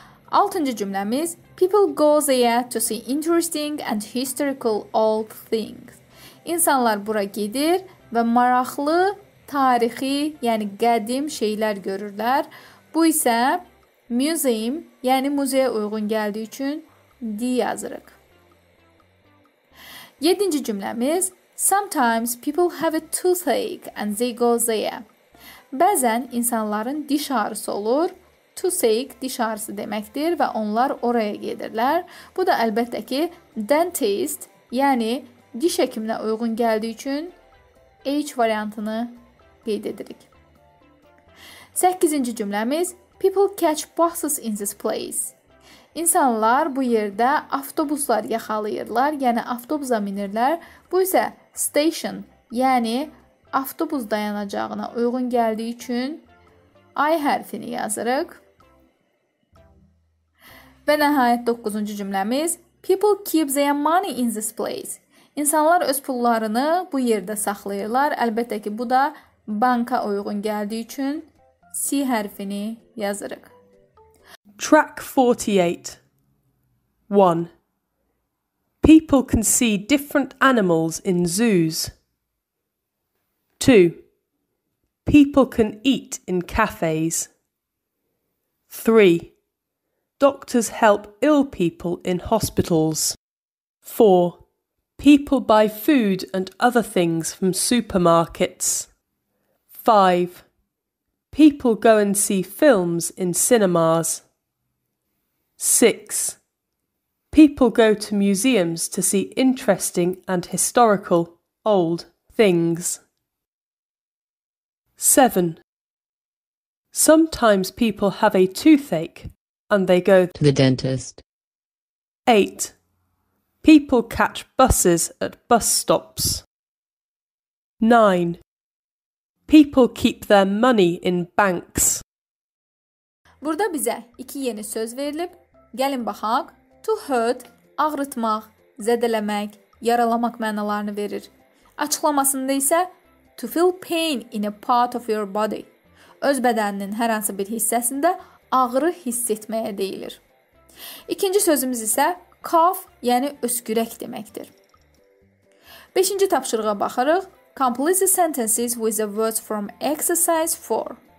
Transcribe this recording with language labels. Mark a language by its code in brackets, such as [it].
[az] Altıncı cümləmiz, [en] people go there to see interesting and historical old things. [az] İnsanlar bura gedir və maraqlı, tarixi, yəni qədim şeylər görürlər. Bu isə... Museum, yəni muzeyə uyğun gəldiyi üçün D yazırıq. 7-ci cümləmiz [en] Sometimes people have a toothache and they go there. [az] Bəzən insanların diş ağrısı olur. Toothache diş ağrısı deməkdir və onlar oraya gedirlər. Bu da əlbəttə ki, dentist, yəni diş həkiminə uyğun gəldiyi üçün H variantını qeyd edirik. 8-ci cümləmiz [en] People catch buses in this place. [az] İnsanlar bu yerdə avtobuslar yaxalayırlar, yəni avtobusa minirlər. Bu isə station, yəni avtobus dayanacağına uyğun gəldiyi üçün I hərfini yazırıq. Və nəhayət 9-cu cümləmiz [en] People keep their money in this place. [az] İnsanlar öz pullarını bu yerdə saxlayırlar. Əlbəttə ki, bu da banka uyğun gəldiyi üçün C hərfini yazırıq. [en] Track 48 1. People can see different animals in zoos. 2. People can eat in cafes. 3. Doctors help ill people in hospitals. 4. People buy food and other things from supermarkets. 5. People go and see films in cinemas. 6. People go to museums to see interesting and historical old things. 7. Sometimes people have a toothache and they go to the dentist. 8. People catch buses at bus stops. 9. People keep their money in banks. [az] Burada bizə iki yeni söz verilib. Gəlin baxaq. To hurt, ağrıtmaq, zədələmək, yaralamaq mənalarını verir. Açıqlamasında isə [en] to feel pain in a part of your body. [az] Öz bədəninin hər hansı bir hissəsində ağrı hiss etməyə deyilir. İkinci sözümüz isə cough, yəni öskürək deməkdir. 5-ci tapşırığa baxırıq. [en] Complete the sentences with the words from exercise 4.